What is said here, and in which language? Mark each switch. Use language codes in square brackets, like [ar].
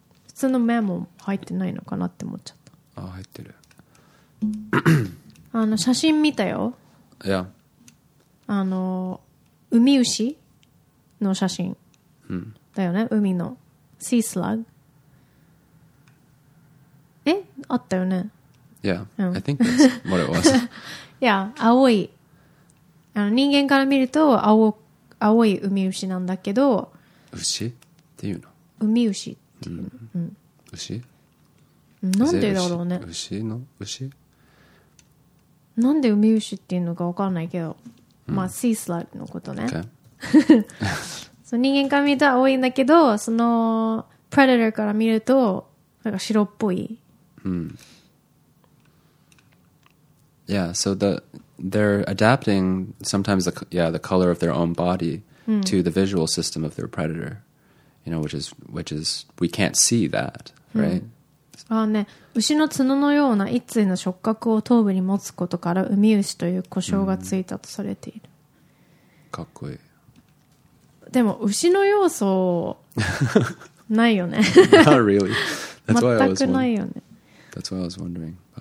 [ja] 普通のメモ入ってないのかなって思っちゃった。あ、入ってる。あの写真見たよ。いや。あのウミウシの写真、 mm-hmm. だよね、海のシースラグ。え、あったよね。 [en] Yeah,、 [ja] うん、 [en] I think that's what it was. [ja] yeah, 青い。あの人間から見ると青いウミウシなんだけど、ウシっていうの、ウミウシっていうの、うん、牛、なんでだろうね、牛の牛、なんでウミウシっていうのか分かんないけど、うん、まあシースラグのことね、 [en] okay. [ja] そう、人間から見ると青いんだけど、そのプレデターから見るとなんか白っぽい、うん、 [en] Yeah, so they're adapting sometimes the color of their own body、mm. to the visual system of their predator, you know, which is we can't see that, right?、 Mm. [ja] ああね、牛の角のような一対の触覚を頭部に持つことからウミウシという呼称がついたとされている。 Mm. かっこいい。でも牛の要素ないよね。 [en] Not really. That's why I was wondering. That's why I was wondering.